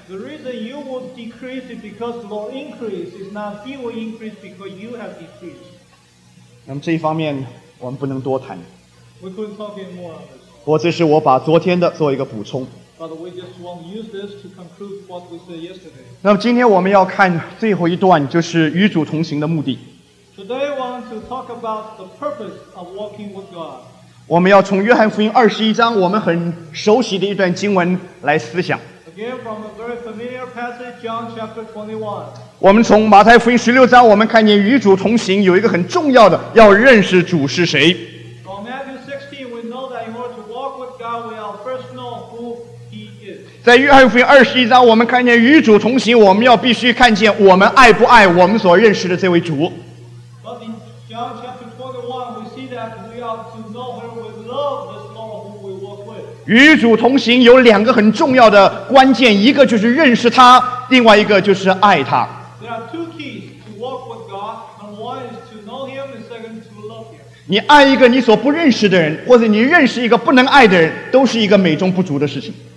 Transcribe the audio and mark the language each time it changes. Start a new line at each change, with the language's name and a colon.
English: The reason you will decrease is because the Lord increases, is not he will increase because you have decreased.
Chinese: 那么这一方面我们不能多谈。
English: We couldn't talk any more on this.
Chinese: 我这是我把昨天的做一个补充。
English: But we just want to use this to conclude what we said yesterday.
Chinese: 那么今天我们要看最后一段，就是与主同行的目的。
English: Today we want to talk about the purpose of walking with God.
Chinese: 我们要从约翰福音二十一章我们很熟悉的一段经文来思想。
English: Again, from a very familiar passage, John chapter 21.
Chinese: 我们从马太福音十六章，我们看见与主同行有一个很重要的，要认识主是谁。
English: From Matthew 16, we know that in order to walk with God, we will first know who He is.
Chinese: 在约翰福音二十一章，我们看见与主同行，我们要必须看见我们爱不爱我们所认识的这位主。
English: But in John chapter 21, we see that we ought to know where we love this.
Chinese: 与主同行有两个很重要的关键，一个就是认识他，另外一个就是爱他。
English: There are two keys to walk with God, and one is to know Him, and second to love Him.
Chinese: 你爱一个你所不认识的人，或者你认识一个不能爱的人，都是一个美中不足的事情。